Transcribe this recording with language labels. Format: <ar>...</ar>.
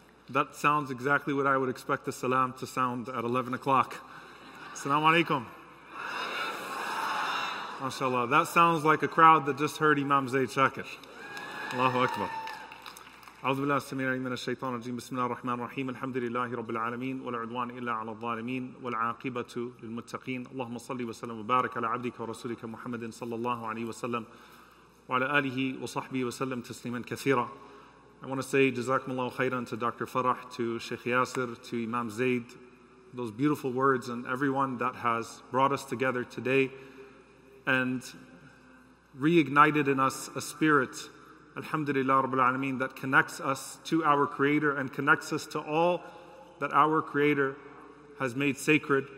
<en>That sounds exactly what I would expect the salam to sound at 11 o'clock. Assalamu alaikum. MashaAllah. That sounds like a crowd that just heard Imam Zayd Shakir. Allahu Akbar.</en> <ar>أعوذ بالله السميع العليم من الشيطان الرجيم بسم الله الرحمن الرحيم الحمد لله رب العالمين ولا عدوان إلا على الظالمين والعاقبة للمتقين اللهم صل وسلم وبارك على عبدك ورسولك محمد صلى الله عليه وسلم وعلى آله وصحبه وسلم تسليما كثيرا.</ar> <en>I want to say</en> <ar>جزاكم الله خيرا</ar> <en>to Dr. Farah, to Sheikh Yasser, to Imam Zayd, those beautiful words, and everyone that has brought us together today and reignited in us a spirit, Alhamdulillah Rabbil Alameen, that connects us to our Creator and connects us to all that our Creator has made sacred.</en>